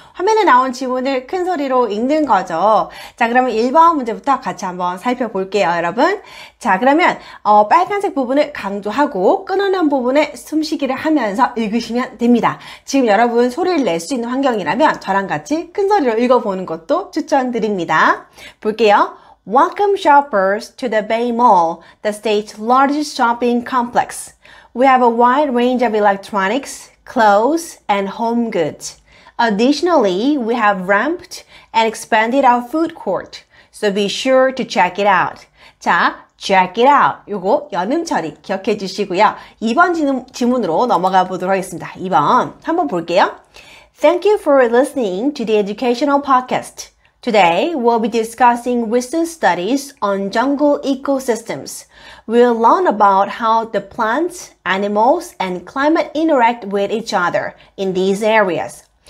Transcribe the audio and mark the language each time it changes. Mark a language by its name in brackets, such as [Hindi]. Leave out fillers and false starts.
[Korean] 화면에 나온 지문을 큰 소리로 읽는 거죠. 자, 그러면 1번 문제부터 같이 한번 살펴볼게요, 여러분. 자, 그러면 빨간색 부분을 강조하고 끊어낸 부분에 숨쉬기를 하면서 읽으시면 됩니다. 지금 여러분 소리를 낼 수 있는 환경이라면 저랑 같이 큰 소리로 읽어보는 것도 추천드립니다. 볼게요. [English] Welcome shoppers to the Bay Mall, the state's largest shopping complex. We have a wide range of electronics, clothes, and home goods. Additionally, we have ramped and expanded our food court. So be sure to check it out. 자, check it out. [Korean] 요거 연음 처리 기억해 주시고요. 2번 질문으로 넘어가 보도록 하겠습니다. 2번 한번 볼게요. [English] Thank you for listening to the educational podcast. Today, we'll be discussing recent studies on jungle ecosystems. We'll learn about how the plants, animals, and climate interact with each other in these areas.